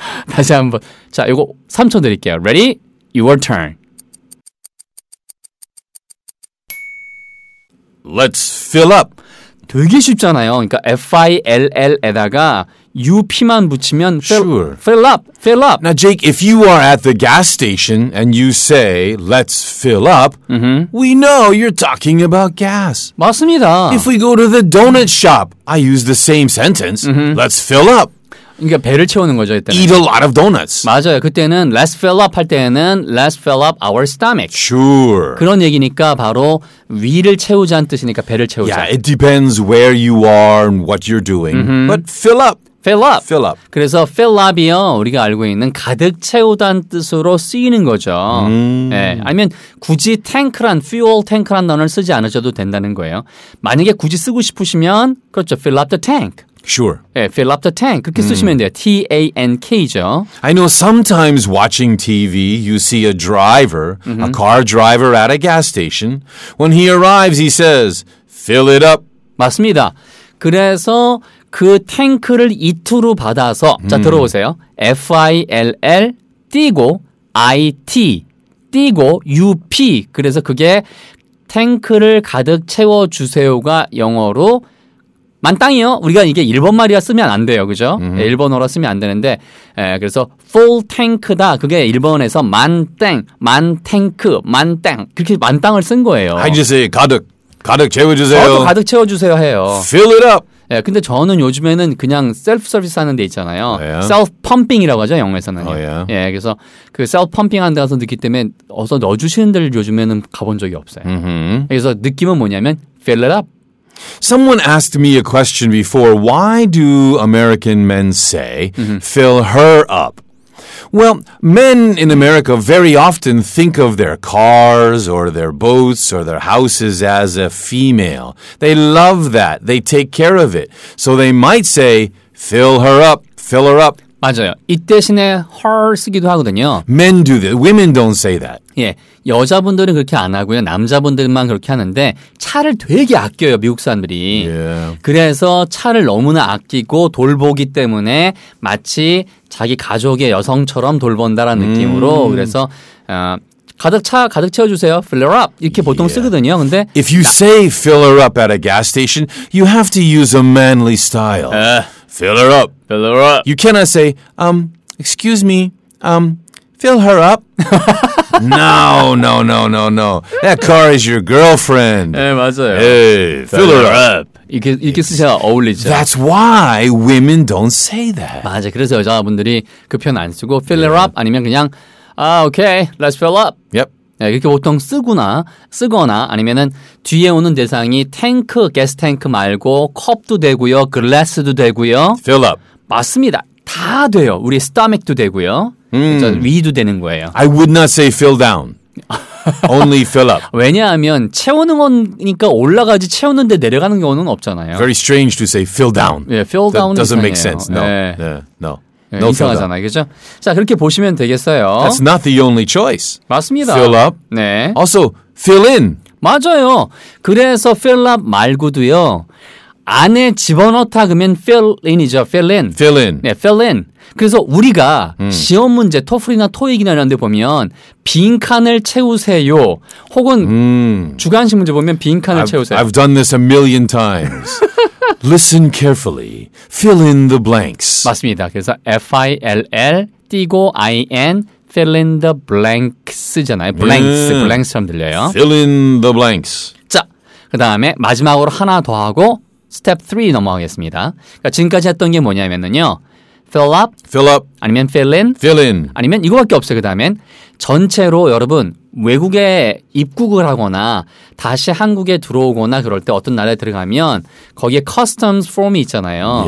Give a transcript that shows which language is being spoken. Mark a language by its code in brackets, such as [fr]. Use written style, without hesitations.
[ko] 다시 한번. 자, 이거 3초 드릴게요. [en] Ready? Your turn. Let's fill up. [ko] 되게 쉽잖아요. 그러니까 F-I-L-L에다가 U-P만 붙이면 [en] sure. fill up, fill up. Now, Jake, if you are at the gas station and you say, let's fill up, mm-hmm. we know you're talking about gas. [ko] 맞습니다. [en] If we go to the donut shop, I use the same sentence, mm-hmm. let's fill up. [ko] 그러니까 배를 채우는 거죠, 이때는. [en] Eat a lot of donuts. [ko] 맞아요. [en] 그때는 let's fill up 할 때는 let's fill up our stomach. Sure. [ko] 그런 얘기니까 바로 위를 채우자는 뜻이니까 배를 채우자. [en] Yeah, it depends where you are and what you're doing. Mm-hmm. But fill up. Fill up. Fill up. [ko] 그래서 fill up이요. 우리가 알고 있는 가득 채우다는 뜻으로 쓰이는 거죠. 예. 아니면 굳이 탱크란, fuel 탱크란 단어를 쓰지 않으셔도 된다는 거예요. 만약에 굳이 쓰고 싶으시면, 그렇죠. [en] Fill up the tank. Sure. [ko] 예, [en] fill up the tank. [ko] 그렇게 쓰시면 돼요. T-A-N-K죠. [en] I know sometimes watching TV, you see a driver, a car driver at a gas station. When he arrives, he says, fill it up. [ko] 맞습니다. 그래서 그 탱크를 it로 받아서 자 들어오세요. F-I-L-L 띄고 I-T 띄고 U-P 그래서 그게 탱크를 가득 채워주세요가 영어로 만땅이요. 우리가 이게 일본 말이라 쓰면 안 돼요. 그죠? 일본어로 쓰면 안 되는데 에, 그래서 full tank다. 그게 일본에서 만땡 만탱크 만땡 그렇게 만땅을 쓴 거예요. 해주세요. 가득 가득 채워주세요. 저도 가득 채워주세요 해요. [en] Fill it up. [ko] 예, 근데 저는 요즘에는 그냥 셀프 서비스 하는 데 있잖아요. [en] Oh, yeah. [ko] self pumping이라고 하죠, 영어에서는. [en] Oh, yeah. [ko] 예, 그래서 그 self pumping 하는 데 가서 느끼기 때문에 어서 넣어주시는 데를 요즘에는 가본 적이 없어요. Mm-hmm. 그래서 느낌은 뭐냐면 fill it up. [en] Someone asked me a question before. Why do American men say fill her up? Well, men in America very often think of their cars or their boats or their houses as a female. They love that. They take care of it. So they might say, fill her up, fill her up. [ko] 맞아요. 이 대신에 her 쓰기도 하거든요. [en] Men do that. Women don't say that. [ko] 예, 여자분들은 그렇게 안 하고요. 남자분들만 그렇게 하는데 차를 되게 아껴요, 미국 사람들이. [en] Yeah. [ko] 그래서 차를 너무나 아끼고 돌보기 때문에 마치 자기 가족의 여성처럼 돌본다라는 느낌으로 그래서 가득 차 가득 채워주세요. [en] Fill her up 이렇게 보통 yeah. [ko] 쓰거든요. 근데 [en] If you say fill her up at a gas station, you have to use a manly style. Fill her up. Fill her up. You cannot say, excuse me, fill her up. No, no, no, no, no. That car is your girlfriend. [ko] 네, 맞아요. [en] Hey, fill her up. [ko] 이렇게 쓰셔야 어울리죠. [en] That's why women don't say that. [ko] 맞아요. 그래서 여자분들이 그 표현 안 쓰고 fill her up 아니면 그냥 [en] okay, let's fill up. Yep. [ko] 네, 이렇게 보통 쓰거나 아니면은 뒤에 오는 대상이 탱크, 가스 탱크 말고 컵도 되고요. 글래스도 되고요. [en] Fill up. [ko] 맞습니다. 다 돼요. 우리 스타맥도 되고요. 위도 되는 거예요. [en] I would not say fill down. Only fill up. [ko] 왜냐하면 채우는 거니까 올라가지 채우는데 내려가는 경우는 없잖아요. [en] Very strange to say fill down. 네, fill down. That doesn't [ko] 이상해요. [en] make sense. No. 네. Yeah, no. 네, [ko] 이상하잖아요, 그렇죠? 자, 그렇게 보시면 되겠어요. [en] That's not the only choice. [ko] 맞습니다. [en] Fill up. [ko] 네. [en] Also, fill in. [ko] 맞아요. 그래서 fill up 말고도요. 안에 집어넣다 그러면 fill in이죠. [en] Fill in. Fill in. 네, fill in. [ko] 그래서 우리가 시험 문제, 토플이나 토익이나 이런 데 보면 빈 칸을 채우세요. 혹은 주관식 문제 보면 빈 칸을 채우세요. [en] I've done this a million times. Listen carefully. Fill in the blanks. [ko] 맞습니다. 그래서 F-I-L-L 띄고 I-N fill in the blanks잖아요. Blanks, blanks처럼 들려요. [en] Fill in the blanks. [ko] 자, 그 다음에 마지막으로 하나 더 하고 스텝 3 넘어가겠습니다. 그러니까 지금까지 했던 게 뭐냐면요. [en] Fill up. Fill up. 아니면 fill in. Fill in. [ko] 아니면 이거밖에 없어요. 그 다음엔 전체로 여러분 외국에 입국을 하거나 다시 한국에 들어오거나 그럴 때 어떤 나라에 들어가면 거기에 customs form이 있잖아요.